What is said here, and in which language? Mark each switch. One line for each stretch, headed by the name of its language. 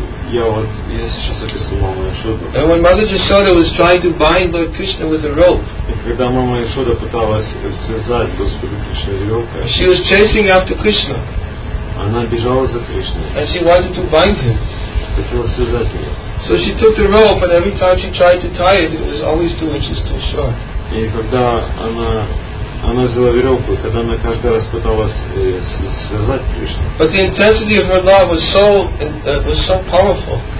Russian: Я сейчас описывал маму Яшоду.
English: And when Mother Jasoda was trying to bind Lord Krishna with a rope,
Russian: когда мама Яшода пыталась связать Господа Кришну веревкой,
English: she was chasing after Krishna.
Russian: Она бежала за Кришной.
English: And she wanted to bind him.
Russian: Хотела связать ее.
English: So she took the rope, and every time she tried to tie it, it was always 2 inches too short.
Russian: И когда она взяла веревку, когда она каждый раз пыталась связать Кришну.
English: But the intensity of her love was so powerful.